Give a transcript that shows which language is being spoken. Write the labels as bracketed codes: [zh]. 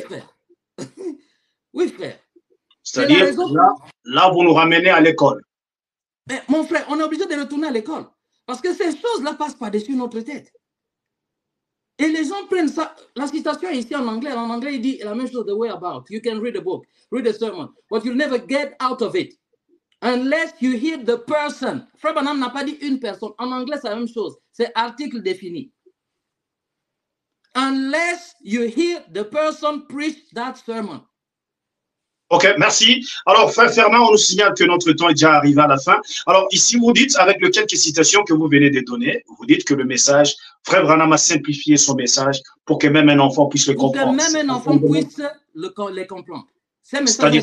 [fr] frère. Oui, frère. C'est la C'est-à-dire, raison pour. là, vous nous ramenez à l'école. Mais mon frère, on est obligé de retourner à l'école. Parce que ces choses-là passent par-dessus notre tête. Et les gens prennent ça. La citation est ici en anglais. En anglais, il dit la même chose, [en] the way about. You can read a book, read a sermon, but you'll never get out of it. Unless you hear the person. [fr] Frère Branham n'a pas dit une personne. En anglais, c'est la même chose. C'est article défini. [en] Unless you hear the person preach that sermon. [fr] OK, merci. Alors, Frère Fernand, on nous signale que notre temps est déjà arrivé à la fin. Alors, ici, vous dites, avec les quelques citations que vous venez de donner, vous dites que le message, Frère Branham a simplifié son message pour que même un enfant puisse le Pour que comprendre. même un enfant puisse les comprendre. Ces messages ont